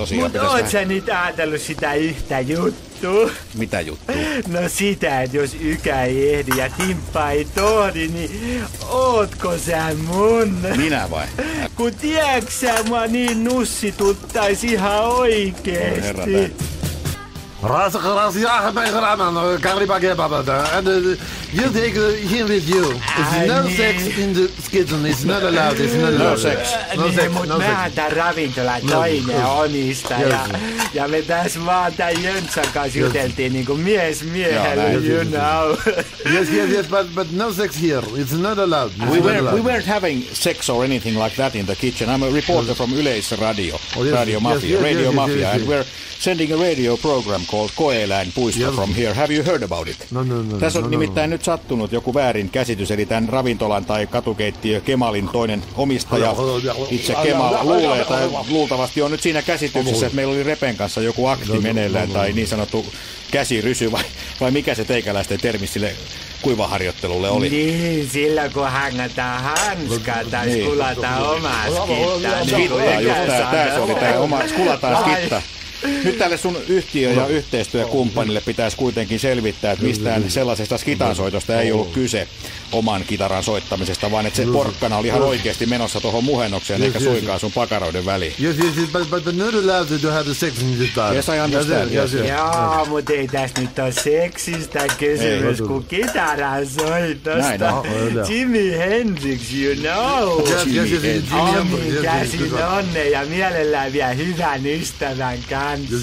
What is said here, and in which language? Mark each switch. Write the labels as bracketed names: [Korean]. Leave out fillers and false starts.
[Finnish] Mutta oot sä nyt ajatellut sitä yhtä juttua? Mitä juttua? No sitä, että jos Ykä ei ehdi ja Timppa ei tohdi, niin ootko sä mun? Minä vai? Kun tiedätkö sä, mua niin nussituttais ihan oikeesti. Raskaras jahmeh raman, karibagebabada, and you take him with you. [English] Sex in the kitchen, it's not allowed, it's not allowed. No sex. [Finnish] Mähän tän ravintolan toinen onista, ja me tässä vaan tän Jöntsän kanssa juteltiin niinku mies miehelle, [English] you know. Yes, but no sex here, it's not allowed. We weren't having sex or anything like that in the kitchen. I'm a reporter from Yleisradio, Radio Mafia, and we're sending a radio program called Koe-eläinpuisto from here. Have you heard about it? No. [Finnish] Tässä on nimittäin nyt sattunut joku väärin käsitys, eli tämän ravintolan tai katukeittiö Kemalin toinen omistaja, itse Kemal luulee, tai luultavasti on nyt siinä käsityksessä, että meillä oli Repen kanssa joku akti meneillään, tai niin sanottu käsirysy, vai mikä se teikäläisten termi sille kuivaharjoittelulle oli? Niin, sillä kun hangataan hanskaa tai skulataan omaa skittaa. Skittaa, just tämä se oli, tämä oma skulataan skittaa. Nyt tälle sun yhtiö- ja yhteistyökumppanille pitäisi kuitenkin selvittää, että mistään sellaisesta kitaransoitosta ei ollut kyse oman kitaran soittamisesta, vaan että se porkkana oli ihan oikeasti menossa tuohon muhennokseen, eikä suinkaan sun pakaroiden väliin. [English] Yes, but not allowed to have the sex in the guitar. Yes, I understand. [Finnish] Joo, mutta ei tässä nyt ole seksistä kysymys kuin kitaran soitosta. Näin, no. [English] Jimi Hendrix, you know. Jimi Hendrix. [Finnish] Onni, käsin onne ja mielellään vielä hyvän ystävän kanssa.